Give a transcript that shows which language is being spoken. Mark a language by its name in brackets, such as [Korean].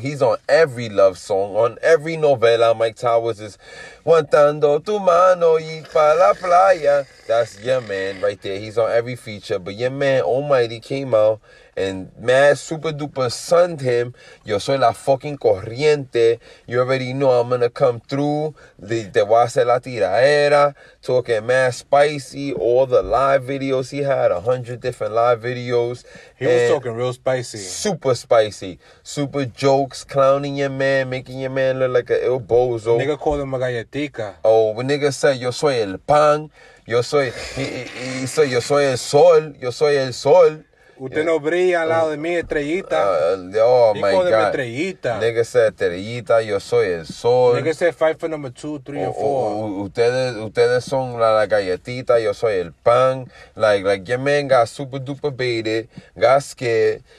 [English] He's on every love song, on every novela. Mike Towers is [Spanish] guantando tu mano y pa la playa. [English] That's your man right there. He's on every feature. But your man Almighty came out and mad super duper sunned him. [Spanish] Yo soy la fucking corriente. [English] You already know I'm gonna come through. [Spanish] Te voy a hacer la tiraera. [English] Talking mad spicy. All the live videos. He had 100 different live videos. He was talking real spicy. Super spicy. Super jokes. Clowning your man. Making your man look like an ill bozo. Nigga called him a galletica. Oh, when nigga said, [Spanish] yo soy el pan. Yo soy, [English] he said, [Spanish] yo soy el sol. Yo soy el sol. Usted no brilla al lado de mi estrellita. [English] Oh my God. Nigga said, [Spanish] estrellita, yo soy el sol. [English] Nigga said, fight for number 2, 3, or 4. [Spanish] Ustedes son la galletita, yo soy el pan. [English] Like your man got super duper baited, got scared.